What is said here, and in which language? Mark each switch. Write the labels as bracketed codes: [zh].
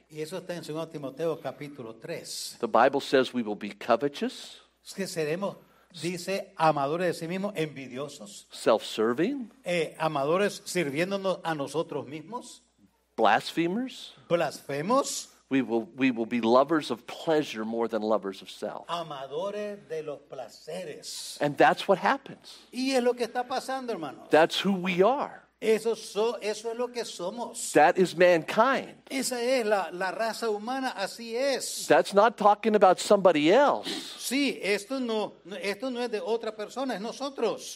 [es] Y eso está en 2 Timoteo capítulo 3. [en] The Bible says we will be covetous. [es] Es que seremos, dice, amadores de sí mismos, envidiosos. [en] Self-serving. [es] Amadores sirviéndonos a nosotros mismos. [en] Blasphemers. [es] Blasfemos. [en] We will be lovers of pleasure more than lovers of self. [es] Amadores de los placeres. [en] And that's what happens. [es] Y es lo que está pasando, hermanos. [en] That's who we are. [es] Eso es lo que somos. [en] That is mankind. [es] Esa es la raza humana, así es. [en] That's not talking about somebody else. [es] Sí, esto no es de otra persona, es nosotros.